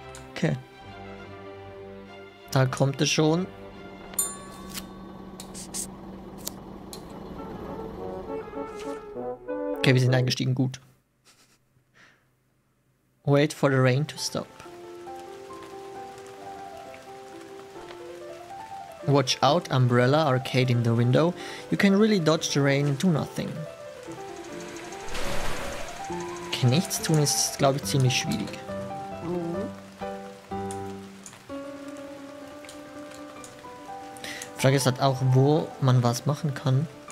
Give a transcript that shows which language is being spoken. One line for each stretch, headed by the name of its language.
German: Okay. Da kommt er schon. Okay, wir sind eingestiegen, gut.
English: Wait for the rain to stop. Watch out, umbrella, arcade in the window. You can really dodge the rain and do nothing.
German: Okay, nichts tun ist, glaube ich, ziemlich schwierig. Frage ist halt auch, wo man was machen kann.